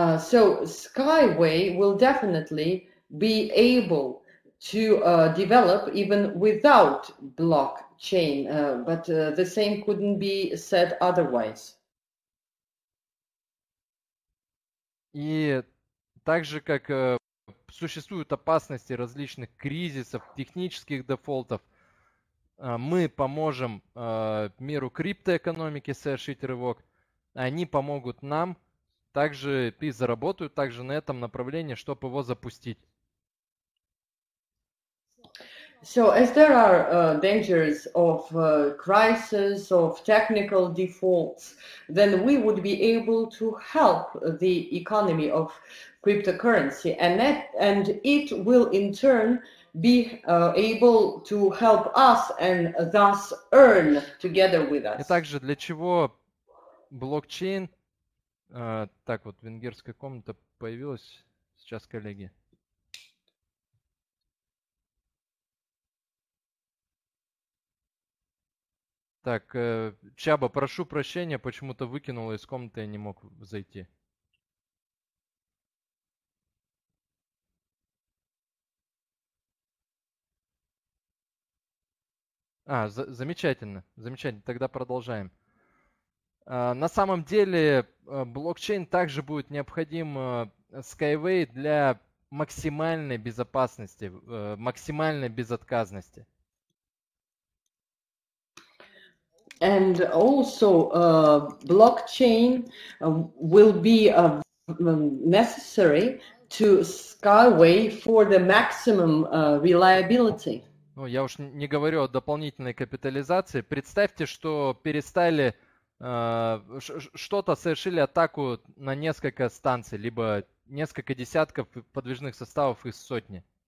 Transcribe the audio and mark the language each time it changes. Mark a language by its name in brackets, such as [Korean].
[English] So Skyway will definitely be able to develop even without blockchain, but the same couldn't be said otherwise. [Russian] И так же, как существуют опасности различных кризисов, технических дефолтов, мы поможем миру криптоэкономики совершить рывок, они помогут нам, также и заработают также на этом направлении, чтобы его запустить. [English] So, as there are dangers of crisis, of technical defaults, then we would be able to help the economy of cryptocurrency, and that, and it will in turn be able to help us and thus earn together with us. [Russian] И также для чего блокчейн, так вот венгерская комната появилась сейчас, коллеги. Так, Чаба, прошу прощения, почему-то выкинула из комнаты, я не мог зайти. А, замечательно, замечательно, тогда продолжаем. На самом деле, блокчейн также будет необходим Skyway для максимальной безопасности, максимальной безотказности. [English] And also, blockchain will be necessary to Skyway for the maximum reliability. [Russian] Ну, я уж не говорю о дополнительной капитализации. Представьте, что перестали что-то совершили атаку на несколько станций, либо несколько десятков подвижных составов из сотни.